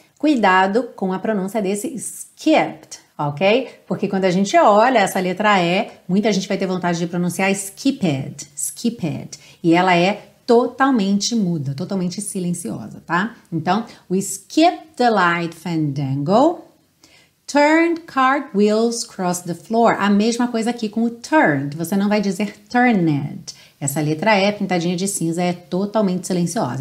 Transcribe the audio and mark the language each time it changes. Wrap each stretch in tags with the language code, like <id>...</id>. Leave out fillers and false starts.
<pt>Cuidado com a pronúncia desse skipped, ok? Porque quando a gente olha essa letra E, muita gente vai ter vontade de pronunciar skipped, skipped. E ela é totalmente muda, totalmente silenciosa, tá? Então,</pt> <en>we skip the light fandango. Turned cartwheels cross the floor.</en> <pt>A mesma coisa aqui com o turned. Você não vai dizer turned. Essa letra E pintadinha de cinza é totalmente silenciosa.</pt>